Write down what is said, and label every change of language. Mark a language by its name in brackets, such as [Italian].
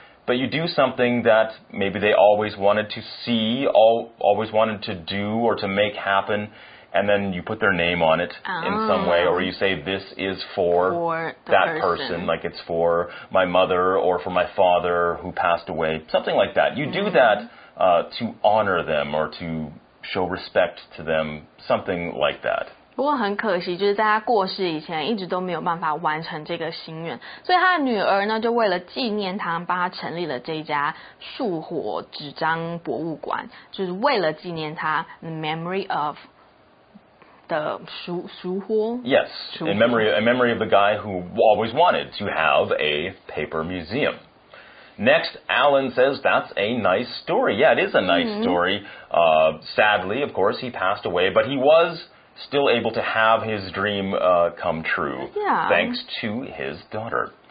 [English] But you do something that maybe they always wanted to see, always wanted to do or to make happen, and then you put their name on it in some way, or you say, this is for that person, like it's for my mother or for my father who passed away, something like that. You do that to honor them or to show respect to them, something like that. [Chinese] 不过很可惜，就是在他过世以前一直都没有办法完成这个心愿，所以他的女儿呢就为了纪念他，帮他成立了这家树火纸张博物馆，就是为了纪念他 memory of 的树火。 [English] Yes, a memory of the guy who always wanted to have a paper museum. Next, Alan says that's a nice story. Yeah, it is a nice story. Sadly, of course, he passed away, but he was... still able to have his dream come true, thanks to his daughter.